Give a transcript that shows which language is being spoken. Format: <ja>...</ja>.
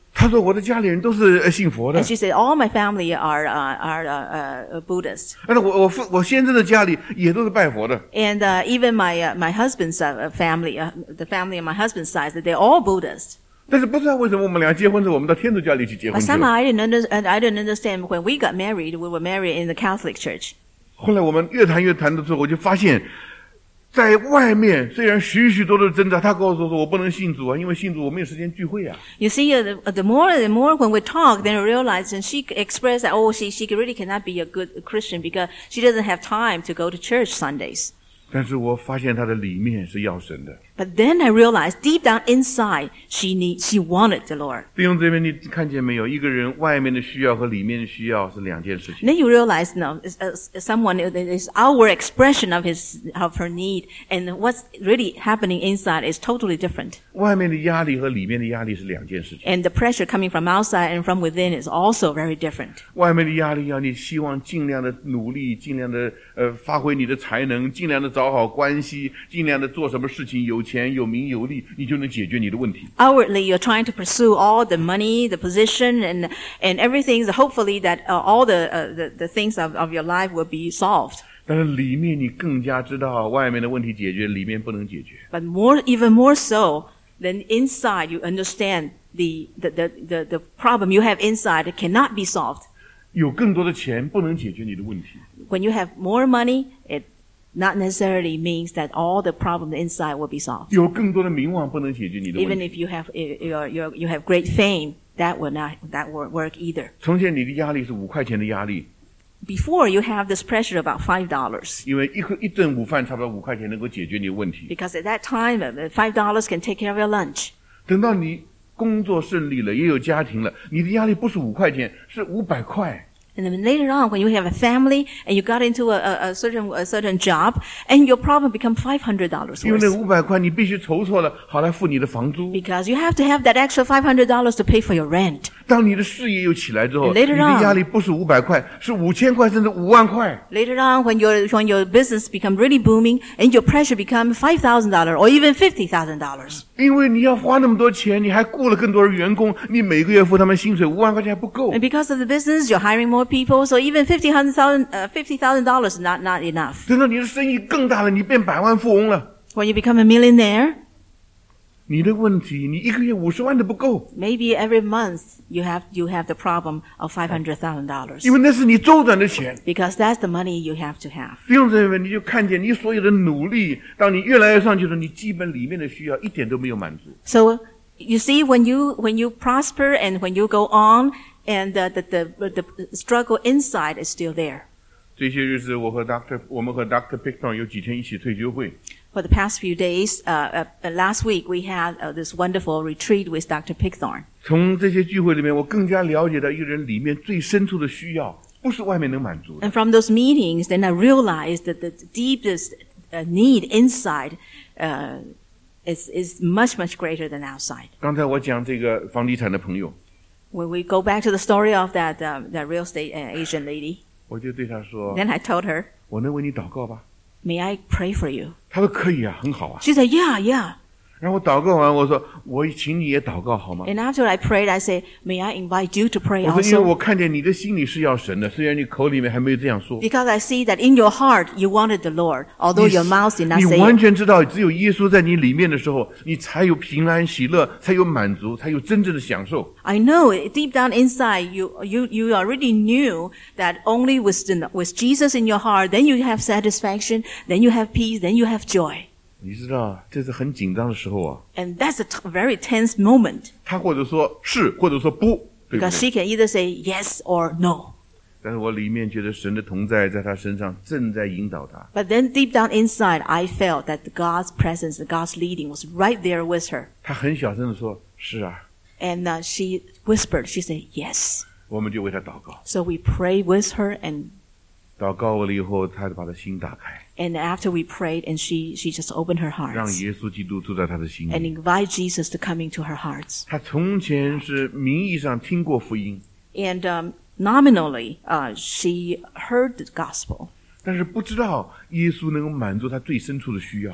<zh>他说我的家里人都是信佛的。</zh> <en>And she said, all my family are Buddhist.</en> <zh>我先生的家里也都是拜佛的。</zh> <en>And even my husband's family, the family of my husband's side, they're all Buddhist.</en> <zh>但是不知道为什么我们俩结婚时我们到天主教里去结婚去了。</zh> <en>But somehow I didn't understand when we got married, we were married in the Catholic Church.</en> <zh>后来我们越谈越谈的时候我就发现在外面虽然许许多多的挣扎，他告诉我说我不能信主啊，因为信主我没有时间聚会啊。</zh> <en>You see, the more when we talk, then realize, and she expressed that, oh, she really cannot be a good Christian because she doesn't have time to go to church Sundays.</en> <zh>但是我发现她的里面是要神的。</zh> <en>But then I realized, deep down inside, she wanted the Lord.</en> <zh>弟兄姊妹，你看见没有？一个人外面的需要和里面的需要是两件事情。</zh> <en>Then you realize, no, someone is our expression of her need, and what's really happening inside is totally different.</en> <zh>外面的压力和里面的压力是两件事情。</zh> <en>And the pressure coming from outside and from within is also very different.</en> <zh>外面的压力要你希望尽量的努力，尽量的发挥你的才能，尽量的找好关系，尽量的做什么事情。有钱有名有利，你就能解决你的问题。</zh> <en>Outwardly, you're trying to pursue all the money, the position, and everything. So hopefully, that all the things of your life will be solved.</en> <zh>但是里面你更加知道，外面的问题解决，里面不能解决。</zh> <en>But more, even more so, then inside you understand the problem you have inside cannot be solved.</en> <zh>有更多的钱不能解决你的问题。</zh> <en>When you have more money, it. Not necessarily means that all the problems inside will be solved.</en> <zh>有更多的名望不能解决你的问题。</zh> <en>Even if you have great fame, that will work either.</en> <zh>从前你的压力是五块钱的压力。</zh> <en>Before you have this pressure about $5.</en> <zh>因为一顿午饭差不多五块钱能够解决你的问题。</zh> <en>Because at that time, $5 can take care of your lunch.</en> <zh>等到你工作顺利了，也有家庭了，你的压力不是五块钱，是五百块。</zh> <en>And then later on, when you have a family and you got into a certain job, and your problem become $500 worse.</en> <zh>因为那五百块你必须筹措了，好来付你的房租。</zh> <en>Because you have to have that extra $500 to pay for your rent.</en> <zh>当你的事业又起来之后，</zh> <en>later on,</en> <zh>你的压力不是五百块，是五千块甚至五万块。</zh> <en>Later on, when your business become really booming, and your pressure become $5,000 or even $50,000.</en> <zh>因为你要花那么多钱，你还雇了更多的员工，你每个月付他们薪水五万块钱还不够。</zh> <en>And because of the business, you're hiring more people, so even $50,000 is not enough. When you become a millionaire, maybe every month you have the problem of $500,000. Because that's the money you have to have.</en> <zh>弟兄姊妹们，你就看见你所有的努力，当你越来越上去的时候，你基本里面的需要一点都没有满足。</zh> <en>So you see, when you prosper and when you go on,And the struggle inside is still there.</en> <zh>这些日子我和 Dr. 我们和 Dr. Picton 有几天一起退休会。</zh> <en>For the past few days, last week we had this wonderful retreat with Dr. Picton.</en> <zh>从这些聚会里面，我更加了解到一个人里面最深处的需要不是外面能满足的。</zh> <en>And from those meetings, then I realized that the deepest need inside, is much, much greater than outside.</en> <zh>刚才我讲这个房地产的朋友。</zh> <en>When we go back to the story of that real estate Asian lady,</en> <zh>我就对她说,</zh> <en>then I told her,</en> <zh>我能为你祷告吧?</zh> <en>May I pray for you?</en> <zh>她说可以啊, 很好啊。</zh> <en>She said, yeah, yeah.</en> <zh>然后祷告完, 我说, 我请你也祷告好吗?</zh> <en>And after I prayed, I said, may I invite you to pray also?</en> <zh>我说, 因为我看见你的心里是要神的, 虽然你口里面还没有这样说。</zh> <en>Because I see that in your heart, you wanted the Lord, although your mouth did not say it.</en> <zh>你完全知道只有耶稣在你里面的时候, 你才有平安喜乐, 才有满足, 才有真正的享受。</zh> <en>I know, deep down inside, you already knew that only with Jesus in your heart, then you have satisfaction, then you have peace, then you have joy.</en> <zh>你知道这是很紧张的时候啊。</zh> <en>And that's a very tense moment.</en> <zh>他或者说是或者说不。</zh> <en>Because she can either say yes or no.</en> <zh>但是我里面觉得神的同在在他身上正在引导他。</zh> <en>But then deep down inside, I felt that God's presence, God's leading was right there with her.</en> <zh>他很小声地说是啊。</zh> <en>And she whispered, she said yes.</en> <zh>我们就为他祷告。</zh> <en>So we pray with her and</en> <zh>祷告完了以后他就把他心打开。</zh> <en>And after we prayed, and she just opened her heart.</en> <zh>让耶稣基督住在她的心里。</zh> <en>And invite Jesus to come into her heart.</en> <zh>她从前是名义上听过福音。</zh> <en>And nominally, she heard the gospel.</en> <zh>但是不知道耶稣能够满足她最深处的需要。</zh>